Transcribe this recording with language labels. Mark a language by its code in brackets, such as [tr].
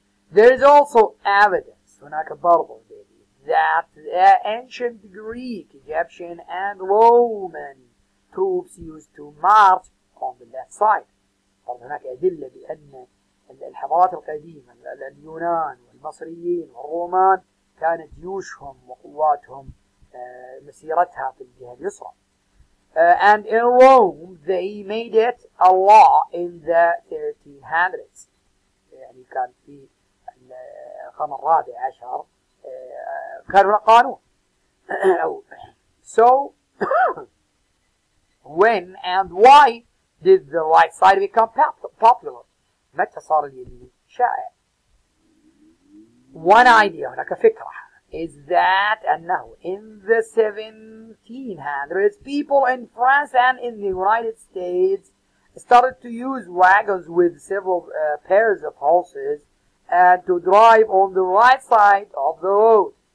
[en] There is also evidence that the ancient Greek, Egyptian and Roman troops used to march on the left side. [ar] طبعا هناك أدلة بأن الحضارات القديمة اليونان والمصريين والرومان كانت جيوشهم وقواتهم مسيرتها في الجهة اليسرى. [en] And in Rome they made it a law in the 1300s. [ar] يعني كان في القرن الرابع عشر كانوا قانون. [en] So when and why did the right side become popular? [ar] متى صار اليمين شائع؟ [en] One idea, [ar] هناك فكرة, [en] is that أنه in the 1700s people in France and in the United States started to use wagons with several pairs of horses and to drive on the right side of the road.